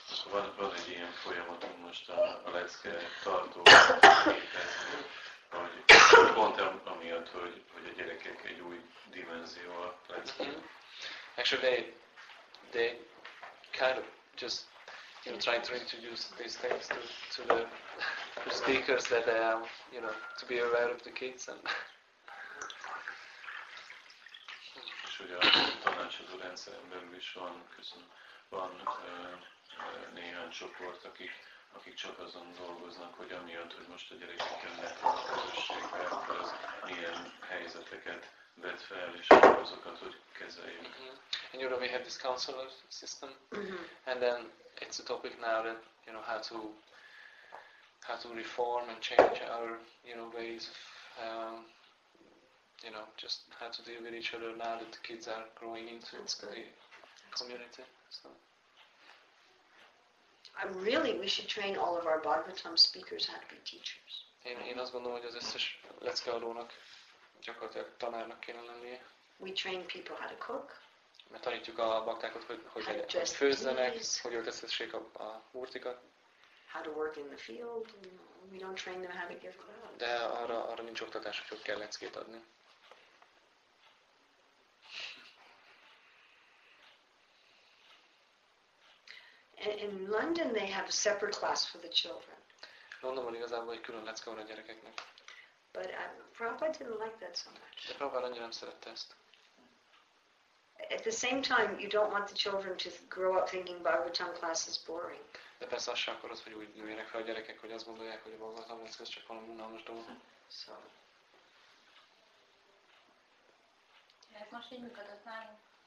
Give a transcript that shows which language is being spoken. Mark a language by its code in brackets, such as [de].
[hu] van egy ilyen folyamatunk most a lecke tartó képezni, pont amiatt, hogy a gyerekek egy új dimenzió a lecke. [en] They kind of just, you know, trying to introduce these things to the speakers that they are, you know, to be aware of the kids and. [hu] És hogy a tanácsadó rendszeren belül is van néhány csoport, akik csak azon dolgoznak, hogy amiatt, hogy most a gyerekek jönnek a közösségbe, az ilyen helyzeteket vet fel, és azokat, hogy kezeljük. [en] In Europe we have this counselor system, and then it's a topic now that, you know, how to reform and change our, you know, ways of, you know, just how to deal with each other now that the kids are growing into the community. So. Really, we should train all of our Bhagavatam speakers how to be teachers. [hu] Én azt gondolom, hogy az összes leckeadónak gyakorlatilag tanárnak kéne lennie. [en] We train people how to cook. [hu] Mert tanítjuk a baktákat, hogy főzzenek, hogy öltöztessék a murtikat. [en] How to work in the field. We don't train them how to give clouds. [hu] De arra nincs oktatás, hogy kell leckét adni. [en] In London they have a separate class for the children. [hu] Londonban igazából egy külön lecke van a gyerekeknek. [en] But Prabhupada didn't like that so much. [hu] De Prabhupada annyira nem szerette ezt. [en] At the same time, you don't want the children to grow up thinking Bhagavatam class is boring. [hu] De persze azt sem akarod, hogy úgy nőjenek fel a gyerekek, hogy azt gondolják, hogy a Bhagavatam class ez csak valami unalmas dolog. Ez most így működött nálunk.